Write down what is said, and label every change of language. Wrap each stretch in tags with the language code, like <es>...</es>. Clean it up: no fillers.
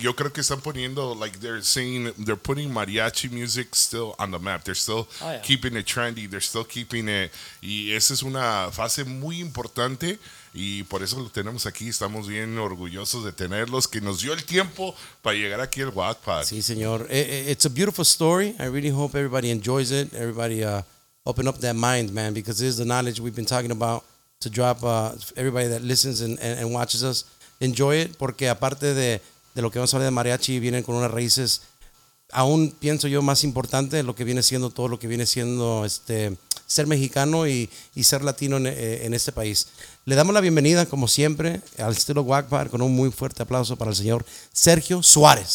<es>Yo creo que están poniendo,</es> <en>like they're saying, they're putting mariachi music still on the map. They're still keeping it trendy, they're still keeping it.</en> <es>Y esa es una fase muy importante, y por eso lo tenemos aquí. Estamos bien orgullosos de tenerlos, que nos dio el tiempo para llegar aquí al Wattpad. Sí, señor.</es> <en>It's a beautiful story. I really hope everybody enjoys it. Everybody, open up that mind, man, because this is the knowledge we've been talking about to drop everybody that listens and watches us. Enjoy it, porque aparte de lo que vamos a hablar de mariachi, vienen con unas raíces aún, pienso yo, más importante lo que viene siendo todo lo que viene siendo ser mexicano y ser latino en este país.</en> <es>Le damos la bienvenida, como siempre, al estilo Wackpad, con un muy fuerte aplauso para el señor Sergio Suárez.</es>